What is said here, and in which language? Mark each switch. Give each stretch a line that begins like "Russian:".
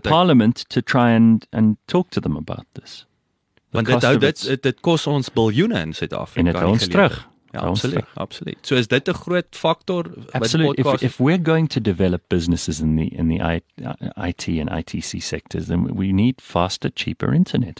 English: Parliament to try and talk to them about this.
Afrikaans: Want dit kos ons biljoene in Suid-Afrika. En dit hou ons terug. Ja, absoluut. So is dit 'n groot faktor? Absoluut.
English: If we're going to develop businesses in the IT and ITC sectors, then we need faster, cheaper internet.